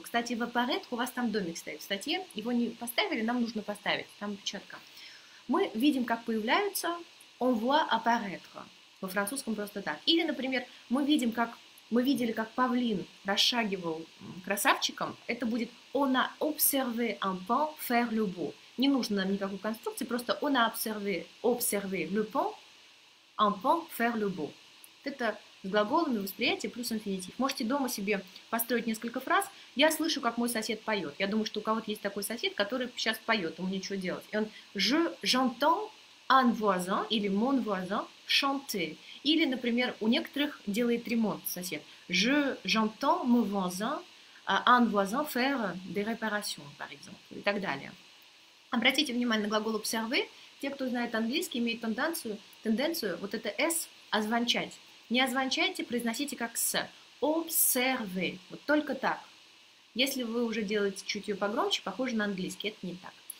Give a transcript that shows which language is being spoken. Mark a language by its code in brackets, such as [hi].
[ru] Кстати, в apparaître у вас там домик стоит. В статье его не поставили, нам нужно поставить. Там печатка. Мы видим, как появляются [fr] on voit apparaître. [ru] Во французском просто так. Или, например, мы видим, как мы видели, как павлин расшагивал красавчиком. Это будет [fr] on a observé un paon faire le beau. [ru] Не нужно нам никакой конструкции, просто [fr] on a observé le paon, un paon faire le beau. [ru] Это с глаголами восприятия плюс инфинитив. Можете дома себе построить несколько фраз. Я слышу, как мой сосед поет. Я думаю, что у кого-то есть такой сосед, который сейчас поет, ему нечего делать. И он [fr] j'entends un voisin или mon voisin chanter. [ru] Или, например, у некоторых делает ремонт сосед. [fr] J'entends mon voisin, un voisin faire des réparations, par exemple, [ru] и так далее. Обратите внимание на глагол observer. Те, кто знает английский, имеют тенденцию вот это S озвончать. Не озвончайте, произносите как «с». Observe. Вот только так. Если вы уже делаете чуть ее погромче, похоже на английский, это не так.